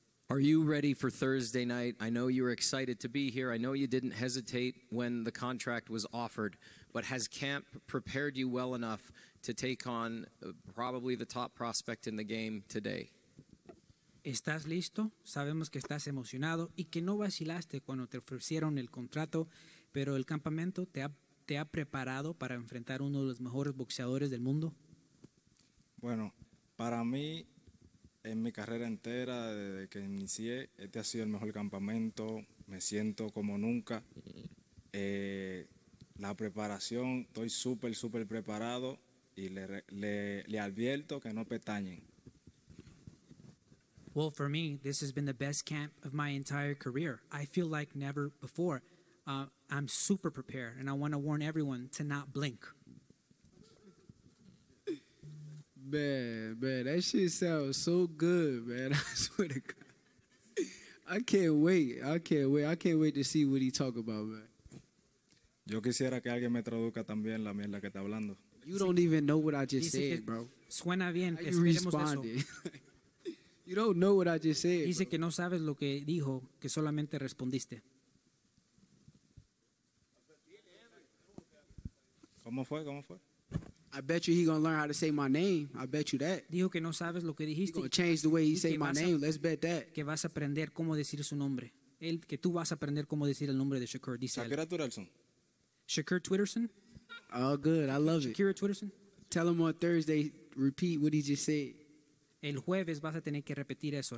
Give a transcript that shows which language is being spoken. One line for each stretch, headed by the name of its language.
English: Are you ready for Thursday night? I know you're excited to be here. I know you didn't hesitate when the contract was offered, but has camp prepared you well enough to take on probably the top prospect in the game today?
Spanish: ¿Estás listo? Sabemos que estás emocionado y que no vacilaste cuando te ofrecieron el contrato, pero el campamento te ha preparado para enfrentar uno de los mejores boxeadores del mundo? Bueno, para mí, en mi carrera entera, desde que inicié, este ha sido el mejor campamento, Me siento como nunca. La preparación, estoy súper, súper preparado y le advierto que no pestañen.
English: Well, for me, this has been the best camp of my entire career. I feel like never before. I'm super prepared, and I want to warn everyone to not blink. Man, that shit sounds so good, man. I swear to God. I can't wait. I can't wait to see what he talk about, man.
Spanish: Yo quisiera que alguien me traduzca también la mierda que está hablando.
English: You don't even know what I just said, bro.
Spanish: Suena bien.
English: How you responded? You don't know what I just said.
Spanish: Dice que no sabes lo que dijo, que solamente respondiste. ¿Cómo fue?
English: I bet you he gonna learn how to say my name. I bet you that.
Spanish: Dijo que no sabes lo que dijiste.
English: He gonna change the way he say my name. Let's bet that.
Spanish: Que vas a aprender cómo decir su nombre. Él, que tú vas a aprender cómo decir el nombre de Shakur. Dice
English: Shakur Twitterson. Shakur Twitterson. Oh, good. I love Shakur it. Shakur Twitterson. Tell him on Thursday. Repeat what he just said.
Spanish: El jueves vas a tener que repetir eso.